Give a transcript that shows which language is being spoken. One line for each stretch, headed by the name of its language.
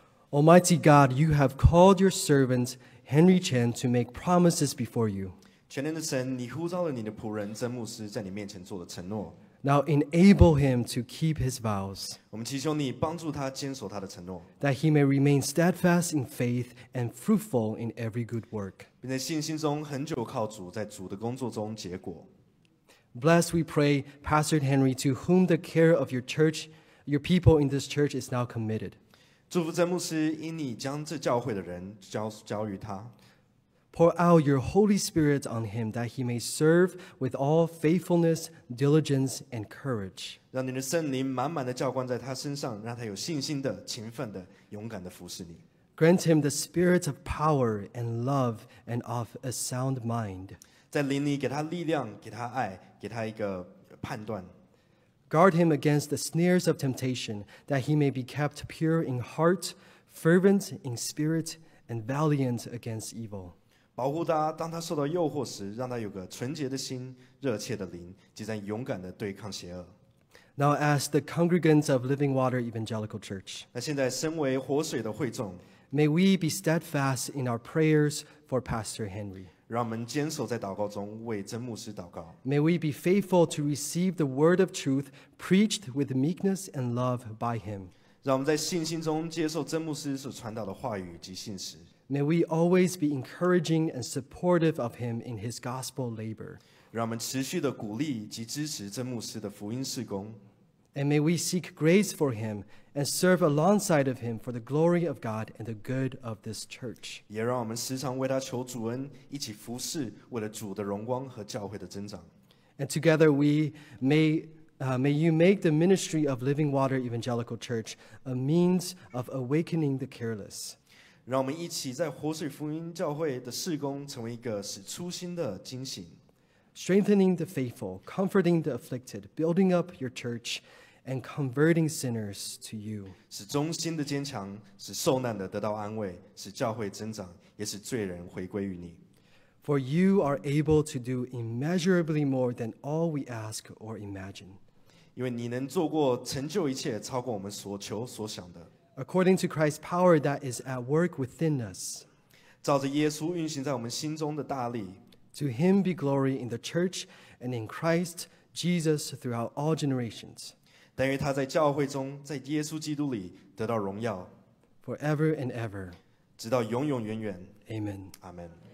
English: Almighty God, you have called your servant Henry Chen to make promises before you.
Chinese: 全能的神，你呼召了你的仆人曾牧师在你面前做的承诺。
English: Now enable him to keep his vows.
Chinese: 我们祈求你帮助他坚守他的承诺。
English: That he may remain steadfast in faith and fruitful in every good work.
Chinese: 并在信心中恒久靠主，在主的工作中结果。
English: Bless, we pray, Pastor Henry, to whom the care of your church, your people in this church is now committed.
Chinese: 祝福曾牧师，因你将这教会的人交于他。
English: Pour out your Holy Spirit on him that he may serve with all faithfulness, diligence, and courage.
Chinese: 让你的圣灵满满的浇灌在他身上，让他有信心的、勤奋的、勇敢的服侍你。
English: Grant him the spirit of power and love and of a sound mind.
Chinese: 在灵里给他力量，给他爱，给他一个判断。
English: Guard him against the snares of temptation, that he may be kept pure in heart, fervent in spirit, and valiant against evil.
Chinese: 保护他，当他受到诱惑时，让他有个纯洁的心，热切的灵，即将勇敢地对抗邪恶。
English: Now as the congregants of Living Water Evangelical Church,
Chinese: 那现在身为活水的会众，
English: may we be steadfast in our prayers for Pastor Henry.
Chinese: 让我们坚守在祷告中为曾牧师祷告。
English: May we be faithful to receive the word of truth preached with meekness and love by him.
Chinese: 让我们在信心中接受曾牧师所传导的话语及信实。
English: May we always be encouraging and supportive of him in his gospel labor.
Chinese: 让我们持续的鼓励及支持曾牧师的福音事工。
English: And may we seek grace for him and serve alongside of him for the glory of God and the good of this church.
Chinese: 也让我们时常为他求主恩，一起服事，为了主的荣光和教会的增长。
English: And together we may you make the ministry of Living Water Evangelical Church a means of awakening the careless.
Chinese: 让我们一起在活水福音教会的事工成为一个使初心的惊醒。
English: Strengthening the faithful, comforting the afflicted, building up your church, and converting sinners to you.
Chinese: 使忠心的坚强，使受难的得到安慰，使教会增长，也使罪人回归于你。
English: For you are able to do immeasurably more than all we ask or imagine.
Chinese: 因为你能做过成就一切，超过我们所求所想的。
English: According to Christ's power that is at work within us.
Chinese: 照着耶稣运行在我们心中的大力。
English: To him be glory in the church and in Christ Jesus throughout all generations.
Chinese: 但愿他在教会中，在耶稣基督里得到荣耀。
English: Forever and ever.
Chinese: 直到永永远远。
English: Amen. Amen.